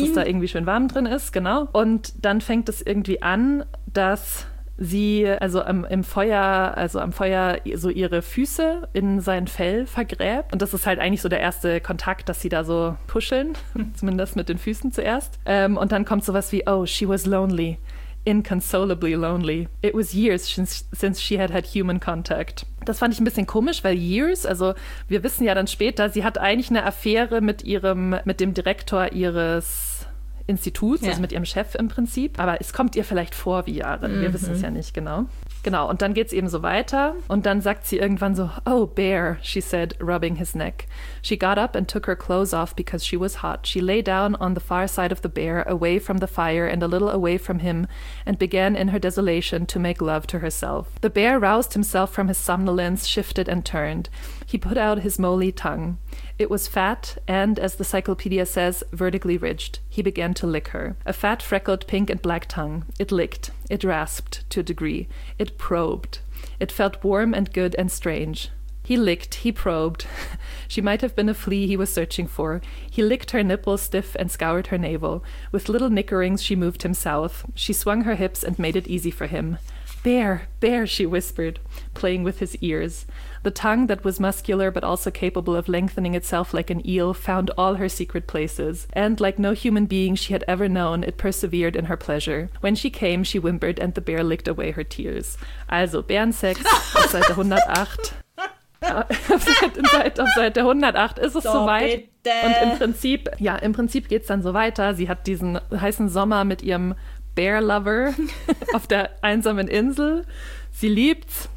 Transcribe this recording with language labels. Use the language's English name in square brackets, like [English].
[German] dass es da irgendwie schön warm drin ist, genau. Und dann fängt es irgendwie an, dass sie also am Feuer so ihre Füße in sein Fell vergräbt. Und das ist halt eigentlich so der erste Kontakt, dass sie da so puscheln, zumindest mit den Füßen zuerst. Und dann kommt sowas wie, oh, [English] she was lonely, inconsolably lonely. It was years since she had had human contact. [German] Das fand ich ein bisschen komisch, weil years, also wir wissen ja dann später, sie hat eigentlich eine Affäre mit dem Direktor ihres Instituts, ja, also mit ihrem Chef im Prinzip. Aber es kommt ihr vielleicht vor wie Jahre. Mhm. Wir wissen es ja nicht genau. Genau, und dann geht es eben so weiter. Und dann sagt sie irgendwann so, oh, [English] bear, she said, rubbing his neck. She got up and took her clothes off because she was hot. She lay down on the far side of the bear, away from the fire and a little away from him, and began in her desolation to make love to herself. The bear roused himself from his somnolence, shifted and turned. He put out his moly tongue. It was fat and, as the cyclopedia says, vertically ridged. He began to lick her. A fat, freckled, pink and black tongue. It licked. It rasped to a degree. It probed. It felt warm and good and strange. He licked. He probed. She might have been a flea he was searching for. He licked her nipples stiff and scoured her navel. With little nickerings, she moved him south. She swung her hips and made it easy for him. Bear, bear, she whispered, playing with his ears. The tongue that was muscular but also capable of lengthening itself like an eel found all her secret places, and like no human being she had ever known, it persevered in her pleasure. When she came, she whimpered and the bear licked away her tears. [German] Also, Bärensex auf Seite 108. auf Seite 108 ist es soweit. Und im Prinzip geht es dann so weiter. Sie hat diesen heißen Sommer mit ihrem Bear-Lover auf der einsamen Insel. Sie liebt's.